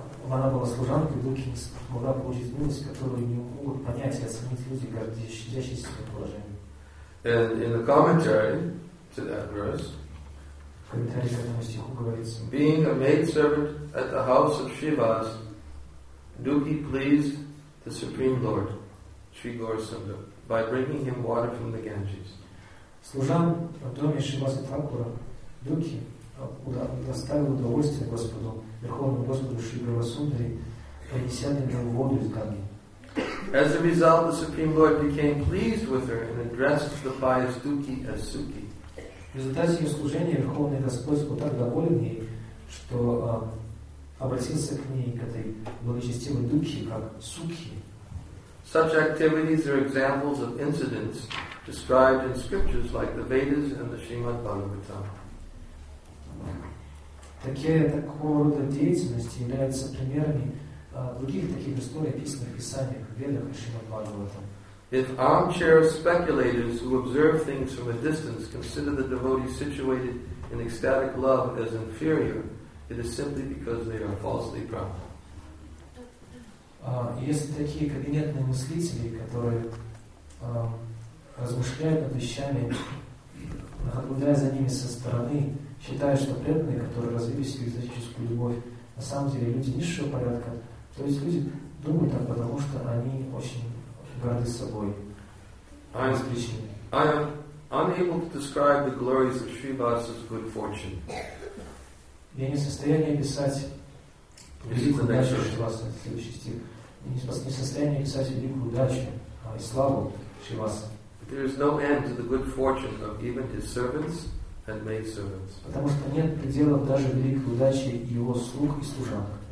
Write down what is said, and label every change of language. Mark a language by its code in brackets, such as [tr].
[ru] Она была служанкой, Дукхи не могла получить милость, которую не могут понять и оценить люди, гордящиеся своим положением. [en] And in the commentary to that verse, [ru] в комментарии к этому стиху говорится, [en] being a maidservant at the house of Shivas, Dukhi pleased the Supreme Lord, Sri Gaurasundara, by bringing him water from the Ganges. [ru] Служан в доме Шиваса Такура, Дукхи доставил удовольствие Господу, Верховному Господу Шри Гаурасундаре, принеся для него воду из Ганги. [en] As a result, the Supreme Lord became pleased with her and addressed the pious Dukhi as Suki. [ru] В результате ее служения Верховный Господь был так доволен ей, что обратился к ней, к этой благочестивой Дукхи, как Суки. [en] Such activities are examples of incidents described in scriptures like the Vedas and the Srimad Bhagavatam. [ru] такого рода деятельности являются примерами других таких историй, описанных в Писаниях, в Ведах и Шримад-Бхагаватам. [en] If armchair speculators who observe things from a distance consider the devotee situated in ecstatic love as inferior, it is simply because they are falsely proud. [ru] Если такие кабинетные мыслители, которые размышляют над вещами, наблюдая за ними со стороны, считают, что преданные, которые развились в эгоистическую любовь, на самом деле люди низшего порядка, то есть люди думают так, потому что они очень горды собой. [en] I am unable to describe the glories of Srivasa's good fortune. [ru] Я не в состоянии описать великую удачу Шриваса, следующий стих. Я не в состоянии описать великую удачу и славу Шриваса. [en] There is no end to the good fortune of even his servants and maidservants. [ru] Потому что нет пределов даже великой удачи его слуг и служанок.